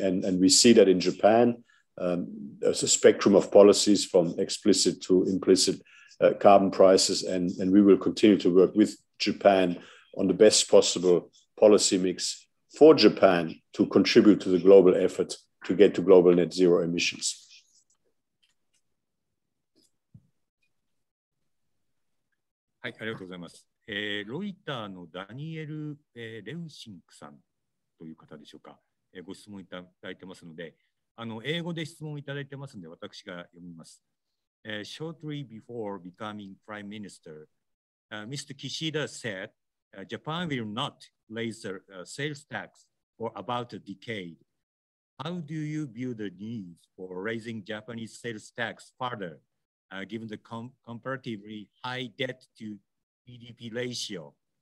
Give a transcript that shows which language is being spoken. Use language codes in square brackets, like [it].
[en] And we see that in Japan, there's a spectrum of policies from explicit to implicit carbon prices. And we will continue to work with Japan on the best possible policy mix for Japan to contribute to the global effort to get to global net zero emissions. [ja] はい、ありがとうございます。ロイターのダニエル、レウシンクさんという方でしょうか。ご質問いただいてますので、英語で質問いただいてますので、私が読みます。 [en] Shortly before becoming Prime Minister, Mr. Kishida said, Japan will not raise the sales tax for about a decade. How do you view the needs for raising Japanese sales tax further, given the comparatively high debt to GDP ratio?